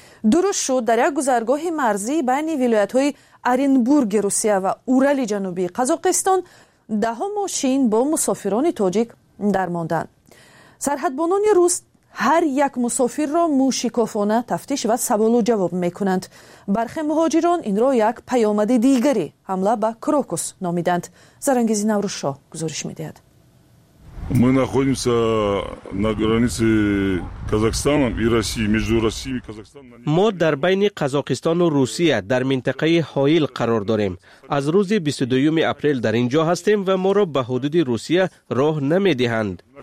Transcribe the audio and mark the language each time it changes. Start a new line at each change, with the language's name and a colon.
Persian: درست شد در یک گذرگاه مرزی بین ولایت های آرنبورگ روسیه و اورال جنوبی قزاقستان ده ها ماشین با مسافران تاجیک درماندن. سرحدبانان روس هر یک مسافر را موشکافانه تفتیش و سوال و جواب میکنند. برخی مهاجران این را یک پیامد دیگری حمله به کروکوس نامیدند. زرنگیز نوروز شاه گزارش میدهد.
Russian: Мы находимся на границе Казахстана и России, между Россией и Казахстаном. Мы
Persian: در بین قزاقستان و روسیه در منطقه هایل قرار داریم. از روز 22 اپریل در اینجا هستیم و ما را به حدود روسیه راه نمیدهند.